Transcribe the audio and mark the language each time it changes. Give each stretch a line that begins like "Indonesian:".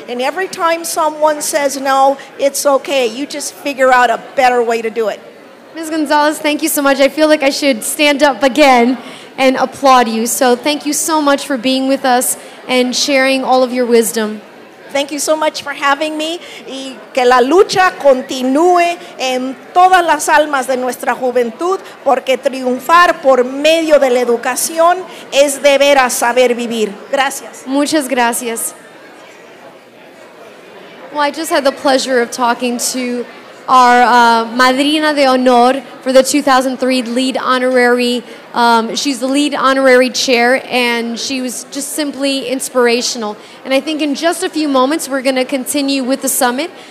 English: And every time someone says no, it's okay. You just figure out a better way to do it. Ms. Gonzalez, thank you so much. I feel like I should stand up again and applaud you. So thank you so much for being with us and sharing all of your wisdom. Thank you so much for having me.
Spanish: Y que la lucha continúe en todas las almas de nuestra juventud, porque triunfar por medio de la educación es deber a saber vivir. Gracias. Muchas gracias.
English: Well, I just had the pleasure of talking to our Madrina de Honor for the 2003 Lead Honorary She's the lead honorary chair, and she was just simply inspirational. And I think in just a few moments, we're going to continue with the summit.